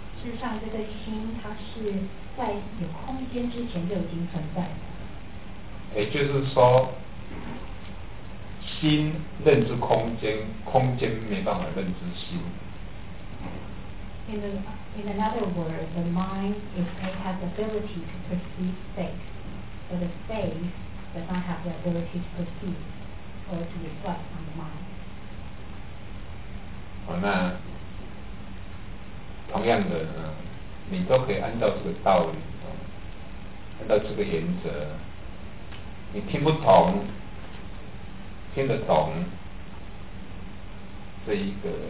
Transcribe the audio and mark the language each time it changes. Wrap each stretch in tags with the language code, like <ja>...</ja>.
<zh>事实上，这个心它是在有空间之前就已经存在的。也就是说，心认知空间，空间没办法认知心。</zh> <en>In another word, the mind has the ability to perceive space, but the space does not have the ability to perceive or to reflect on the mind.</en> <zh>好，那同样的，你都可以按照这个道理，按照这个原则，你听不懂，听得懂这一个。</zh>